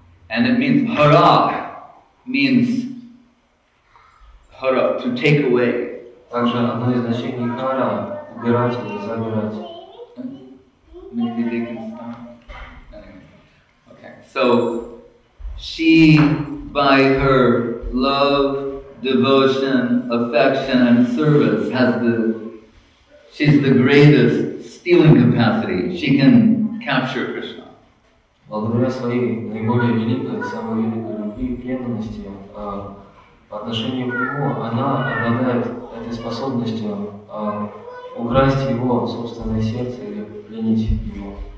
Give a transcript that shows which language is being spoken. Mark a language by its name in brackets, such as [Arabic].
[English] And it means hara means hara to take away. [Russian] Также одно из значений hara убирать или забирать. [English] Maybe they can stop. Anyway. Okay. So she by her love, devotion, affection and service has she's the greatest stealing capacity. She can capture Krishna. [Russian] благодаря своей наиболее великой, самой великой любви и преданности по отношению к Нему, она обладает этой способностью украсть Его собственное сердце или пленить Его.